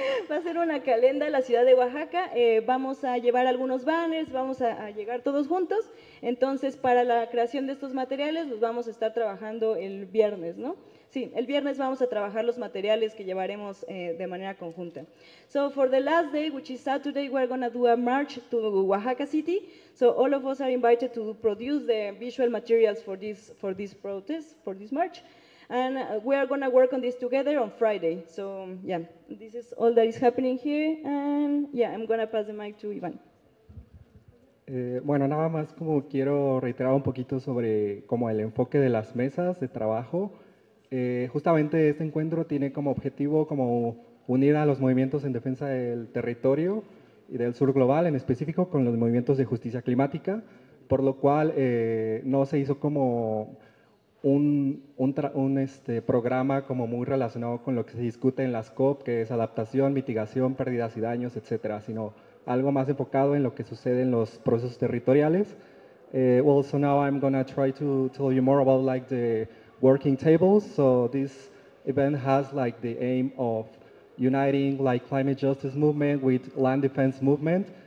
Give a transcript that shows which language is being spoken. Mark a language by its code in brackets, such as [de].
[es] Va a ser una calenda a la ciudad de Oaxaca. Vamos a llevar algunos banners, vamos a llegar todos juntos. Entonces, para la creación de estos materiales, los vamos a estar trabajando el viernes, ¿no? Sí, el viernes vamos a trabajar los materiales que llevaremos de manera conjunta. [en] So for the last day, which is Saturday, we're going to do a march to Oaxaca City. So all of us are invited to produce the visual materials for this protest, for this march. And we are going to work on this together on Friday. So yeah, this is all that is happening here. And yeah, I'm going to pass the mic to Iván. [es] Bueno, nada más como quiero reiterar un poquito sobre como el enfoque de las mesas de trabajo. Justamente este encuentro tiene como objetivo como unida a los movimientos en defensa del territorio y del sur global, en específico con los movimientos de justicia climática, por lo cual no se hizo como un programa como muy relacionado con lo que se discute en las COP, que es adaptación, mitigación, pérdidas y daños, etcétera, sino algo más enfocado en lo que sucede en los procesos territoriales. [en] Well, so now I'm gonna try to tell you more about like the working tables. So this event has like the aim of uniting like climate justice movement with land defense movement.